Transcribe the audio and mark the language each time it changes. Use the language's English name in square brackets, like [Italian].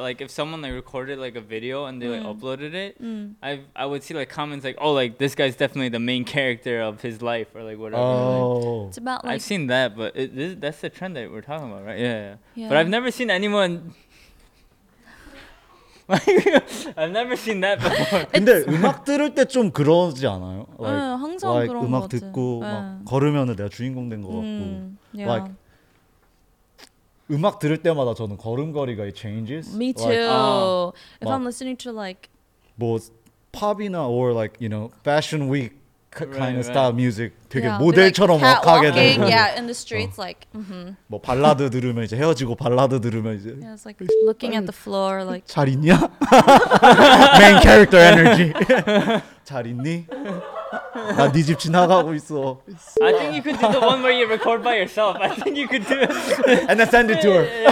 [English] Like if someone like recorded like a video and they like uploaded it, I would see like comments like, oh, like this guy's definitely the main character of his life or like whatever. Like, it's about like I've seen that, but that's the trend that we're talking about, right? Yeah. But I've never seen anyone like I've never seen that before. [Korean] 근데 음악 들을 때 좀 그러지 않아요? Like 항상 like 그런 음악 듣고 막 걸으면은 내가 주인공 된 것 같고. [English] Yeah. [Korean] Like 음악 들을 때마다 저는 걸음걸이가 [English] changes. Me too. Like, if I'm listening to like [Korean] 뭐 팝이나 [English] or like you know fashion week kind of style music [Korean] 되게 모델처럼 [English] like, [Korean] 억하게 되고. [English] Yeah, in the streets like. Mm-hmm. [Korean] 뭐 발라드 들으면 이제 헤어지고 발라드 들으면 이제. [English] Yeah, it's like looking at the floor like. [Korean] 잘 있냐? [English] Main character energy. [Korean] 잘 있니? 나 네 집 지나가고 있어. [English] I think you could do the one where you record by yourself. I think you could do it. And then send it to her.